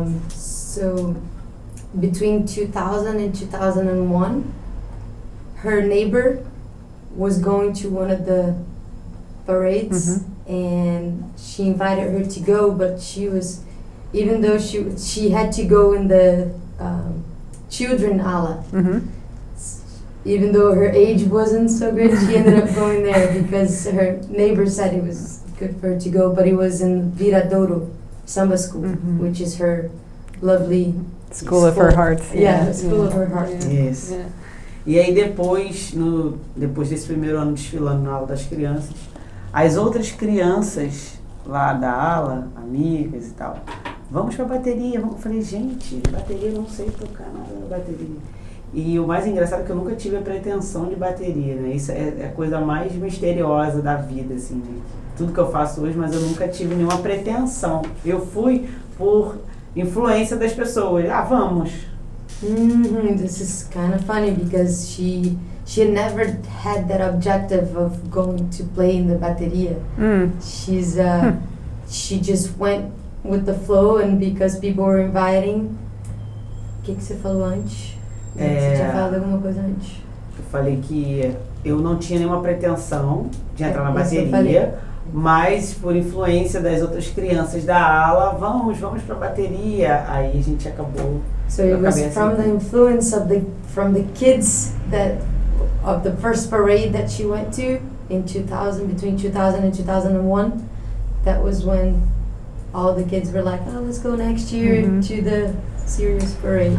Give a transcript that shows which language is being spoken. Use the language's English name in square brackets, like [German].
[English] So between 2000 and 2001, her neighbor was going to one of the parades, and she invited her to go, but she was, even though she had to go in the children ala. Even though her age wasn't so good, she ended up going there because her neighbor said it was good for her to go, but it was in Viradouro Samba School, which is her lovely school of her heart. Of her heart. Yes. Yeah. [Portuguese] E aí depois desse primeiro ano desfilando na aula das crianças, as outras crianças lá da ala, amigas e tal, vamos pra bateria. Eu falei, gente, bateria, não sei tocar nada na bateria. E o mais engraçado é que eu nunca tive a pretensão de bateria, né? Isso é a coisa mais misteriosa da vida, assim, de tudo que eu faço hoje, mas eu nunca tive nenhuma pretensão. Eu fui por influência das pessoas. Ah, vamos! [English] This is kind of funny because she never had that objective of going to play in the bateria. She's she just went with the flow and because people were inviting. [Portuguese] O que você falou antes? Você tinha falado alguma coisa antes? Eu falei que eu não tinha nenhuma pretensão de entrar na bateria, mas por influência das outras crianças da ala, vamos pra bateria. Aí a gente acabou. [English] So it was from the influence of the kids that of the first parade that she went to in 2000, between 2000 and 2001, that was when all the kids were like, oh, let's go next year to the serious parade.